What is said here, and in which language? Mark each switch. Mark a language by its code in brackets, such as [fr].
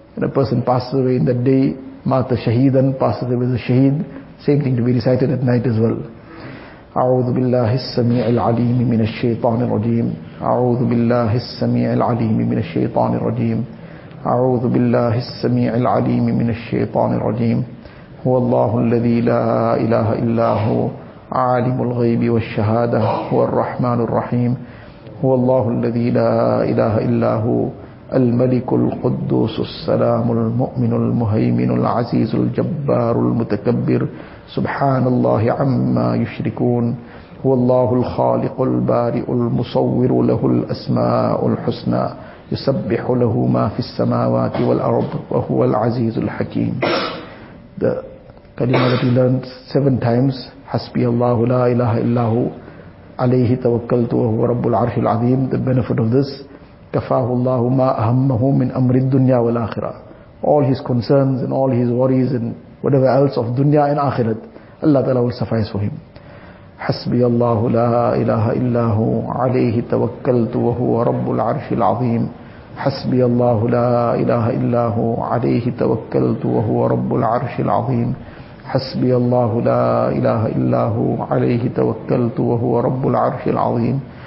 [en] And a person passes away in that day, [ar] مَاتَ شَهِيدًا, [en] passes away as a shaheed. Same thing to be recited at night as well. [ar] أعوذ بالله السميع العليم من الشيطان الرجيم. أعوذ بالله السميع العليم من الشيطان الرجيم. أعوذ بالله السميع العليم من الشيطان الرجيم. هو الله الذي لا إله إلا هو عالم الغيب والشهادة هو الرحمن الرحيم. هو الله الذي لا إله إلا هو الملك القدوس السلام المؤمن المهيمن العزيز الجبار المتكبر. سبحان الله عما يشركون. هو الله الخالق البارئ المصور له الأسماء الحسنى. يسبح له ما في السماوات والأرض وهو العزيز الحكيم. [en] The kalima that we learned 7 times, [ar] حسبي الله لا إله إلا هو عليه توكلت وهو رب العرش العظيم. [en] The benefit of this, [ar] كفاه الله ما أهمه من أمر الدنيا والآخرة. [en] All his concerns and all his worries and whatever else of dunya and akhirat, Allah Ta'ala will suffice for him. [ar] حسبي الله لا إله إلا هو عليه توكلت وهو رب العرش العظيم. حسبي الله لا إله إلا هو عليه توكلت وهو رب العرش العظيم. حسبي الله لا إله إلا هو عليه توكلت وهو رب العرش العظيم.